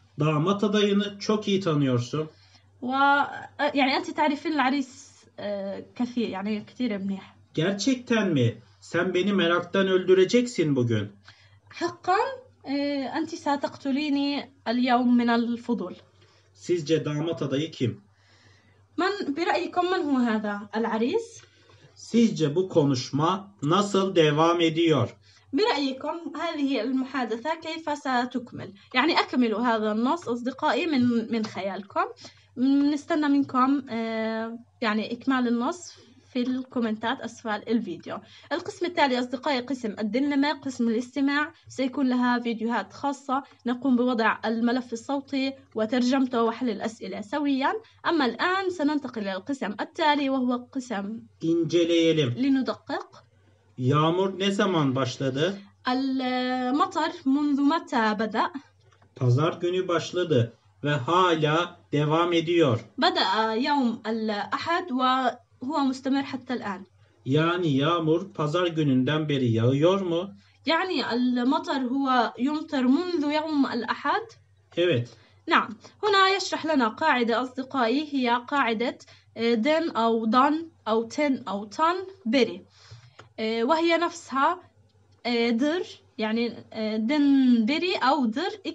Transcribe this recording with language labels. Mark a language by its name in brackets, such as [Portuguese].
[Turkish] Damat adayını çok iyi tanıyorsun. [Arabic] يعني انت تعرفين العريس كثير يعني كثير منيح. [Turkish] Gerçekten mi? Sen beni meraktan öldüreceksin bugün. [Arabic] حقاً أنت ستقتليني اليوم من الفضول. [Turkish] Sizce damat adayı kim? [Arabic] من برأيكم من هو هذا العريس؟ [Turkish] Sizce bu konuşma nasıl devam ediyor? [Arabic] برأيكم هذه المحادثة كيف ستكمل؟ يعني أكمل هذا النص أصدقائي من خيالكم. نستنى منكم يعني إكمال النص في الكومنتات أسفل الفيديو. القسم التالي أصدقائي قسم الدلمة، قسم الاستماع سيكون لها فيديوهات خاصة، نقوم بوضع الملف الصوتي وترجمته وحل الأسئلة سويا. أما الآن سننتقل إلى القسم التالي وهو قسم [Turkish] İnceleyelim. [Arabic] لندقق. [Turkish] Yağmur ne zaman başladı? [Arabic] المطر منذ متى بدأ؟ [Turkish] Pazar günü başladı ve hala devam ediyor. [Arabic] بدأ يوم الأحد و هو مستمر حتى الآن. [Turkish] Yani yağmur pazar gününden beri yağıyor mu? [Arabic] يعني المطر هو يمطر منذ يوم الأحد. [Turkish] Evet. [Arabic] نعم. هنا يشرح لنا قاعدة أصدقائي هي قاعدة then أو done أو ten أو tan beri. وهي نفسها در يعني then beri أو در.